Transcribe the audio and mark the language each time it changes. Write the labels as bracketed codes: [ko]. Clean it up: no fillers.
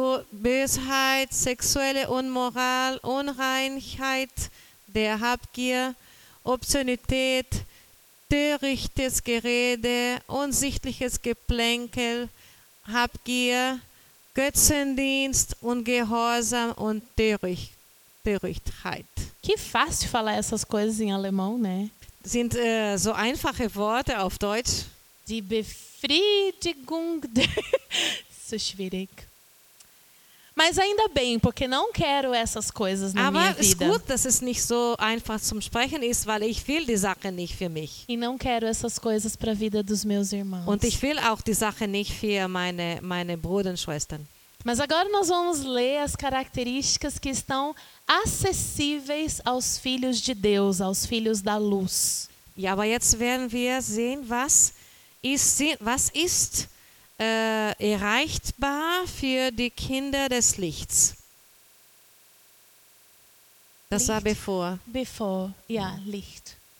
[de] Bösheit, sexuelle Unmoral, Unreinheit, der Habgier, Obszönität, törichtes Gerede, unsichtliches Geplänkel, Habgier, Götzendienst, Ungehorsam und Törichtheit. [pt] Que fácil falar essas coisas em alemão, né? [de] Sind so einfache Worte auf Deutsch. Die Befriedigung der... so schwierig. [pt] Mas ainda bem, porque não quero essas coisas na [de] Aber [pt] minha vida. [de] Aber es ist gut, dass es nicht so einfach zum Sprechen ist, weil ich will die Sache nicht für mich. [pt] E não quero essas coisas para a vida dos meus irmãos. [de] Und ich will auch die Sache nicht für meine Brüder und Schwestern. [pt] Mas agora nós vamos ler as características que estão acessíveis aos filhos de Deus, aos filhos da luz. [de] Ja, aber jetzt werden wir sehen, was ist erreichbar für die Kinder des Lichts. Das Licht. War bevor. Bevor, ja, Licht.